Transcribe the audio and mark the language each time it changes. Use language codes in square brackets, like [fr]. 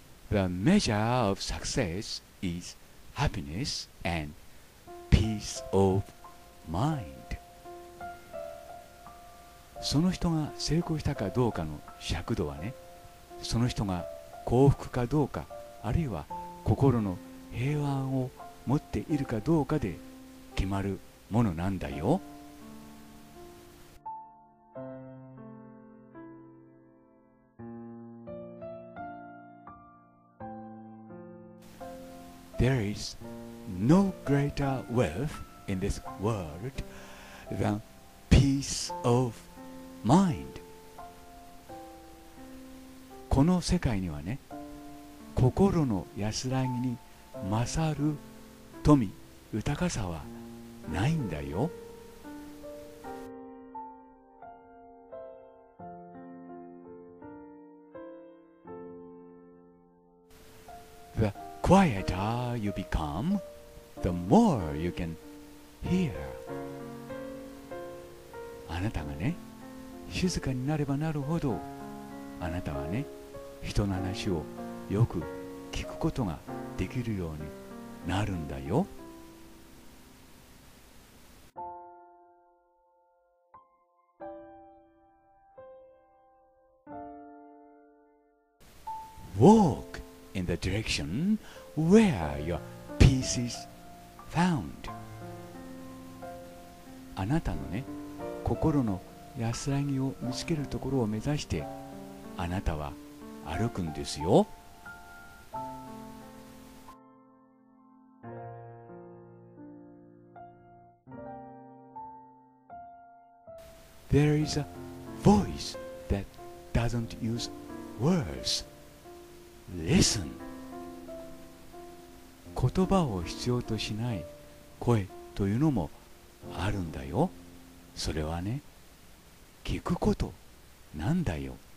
[en] The measure of success is happiness and peace of mind. [ja] その人が成功したかどうかの尺度はね、その人が幸福かどうか、あるいは心の平和を持っているかどうかで決まるものなんだよ。 [en] There is no greater wealth in this world than peace of mind. [ja] この世界にはね、心の安らぎに勝る富、豊かさはないんだよ。 [en] Quieter you become, the more you can hear. [ja] あなたがね、静かになればなるほど、あなたはね、人の話をよく聞くことができるようになるんだよ。 [en] Walk in the direction. Where your peace is found. [ja] あなたのね、心の安らぎを見つけるところを目指して、あなたは歩くんですよ。 [en] There is a voice that doesn't use words. Listen. [ja] 言葉を必要としない声というのもあるんだよ。それはね、聞くことなんだよ。